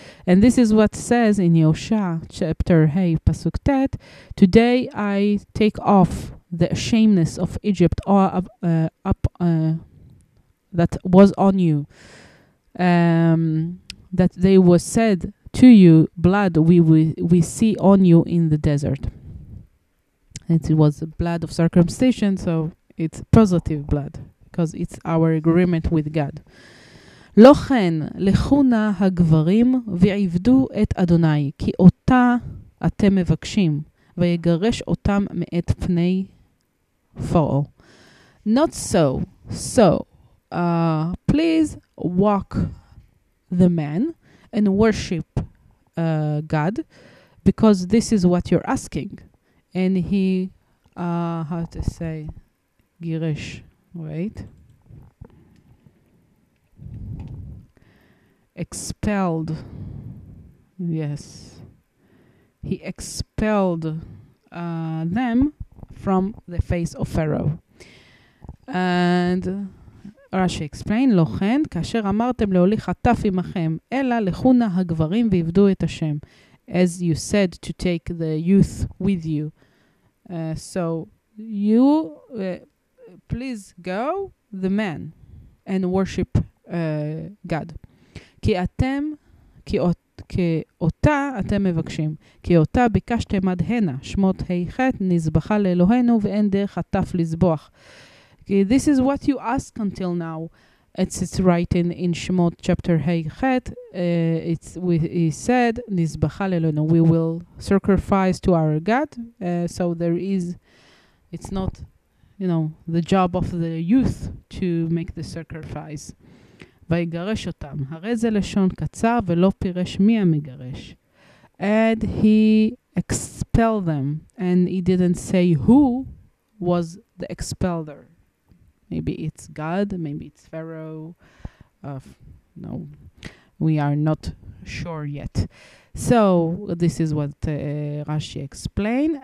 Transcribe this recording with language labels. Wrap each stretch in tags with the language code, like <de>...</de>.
<en>And this is what says in Yoshua chapter hey pasuk tet, today I take off the shameness of Egypt that was on you, that they were said to you, blood we see on you in the desert. And it was the blood of circumcision, so it's positive blood because it's our agreement with God.</en> <he>לא כן, לכו נא הגברים ועבדו את אדוני, כי אותה אתם מבקשים, ויגרש אותם מאת פני פרעה.</he> <en>Not so. So, please walk the man and worship God, because this is what you're asking. And he, how to say, גירש, right? Expelled, yes, he expelled them from the face of Pharaoh. And Rashi explained,</en> <he>לא כן, כאשר אמרתם להוליך חטף עמכם, אלא לכונה הגברים ועבדו את השם.</he> <en>As you said, to take the youth with you. So you, please go, the man, and worship God.</en> <he>כי אתם, כאותה אתם מבקשים, כי אותה ביקשתם עד הנה, שמות היחד נזבחה לאלוהינו ואין דרך עטף לזבוח.</he> <en>כי this is what you ask until now. It's written in שמות chapter היחד. He said,</en> <he>נזבחה לאלוהינו.</he> <en>We will sacrifice to our God. So there is, it's not, you know, the job of the youth to make the sacrifice.</en> <he>ויגרש אותם. הרי זה לשון קצר ולא פירש מי המגרש.</he> <en>And he expelled them. And he didn't say who was the expeller. Maybe it's God, maybe it's Pharaoh. No, we are not sure yet. So this is what Rashi explained.</en>